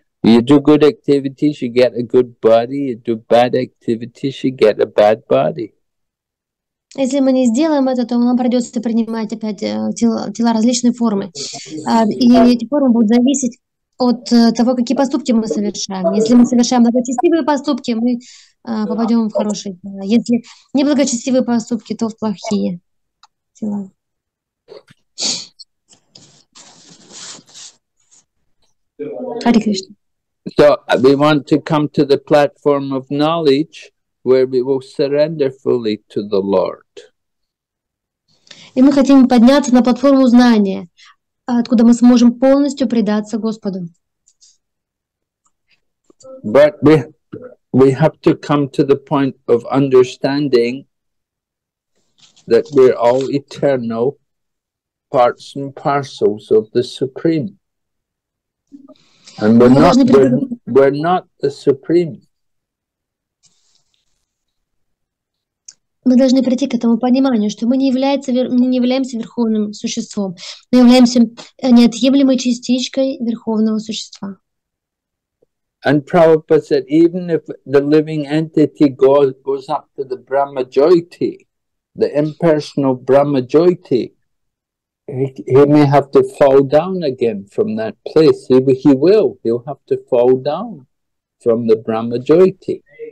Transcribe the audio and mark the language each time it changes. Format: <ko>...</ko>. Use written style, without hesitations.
<en>You do good activities, you get a good body. You do bad activities, you get a bad body.</en> <ru>Если мы не сделаем это, то нам придется принимать опять тела различной формы. И эти формы будут зависеть от того, какие поступки мы совершаем. Если мы совершаем благочестивые поступки, мы попадем в хорошие тела. Если неблагочестивые поступки, то в плохие тела.</ru> <sa>Hare Krishna.</sa> <en>So we want to come to the platform of knowledge where we will surrender fully to the Lord.</en> <ru>И мы хотим подняться на платформу знания, откуда мы сможем полностью предаться Господу.</ru> <en>But we have to come to the point of understanding that we're all eternal parts and parcels of the Supreme. And we're not the Supreme.</en> <ru>Мы должны прийти к этому пониманию, что мы не являемся верховным существом, мы являемся неотъемлемой частичкой верховного существа.</ru> <en>And Prabhupada said, even if the living entity goes up to the Brahma Jyoti, the impersonal Brahma Jyoti, he may have to fall down again from that place. He'll have to fall down from the Brahma Jyoti.</en>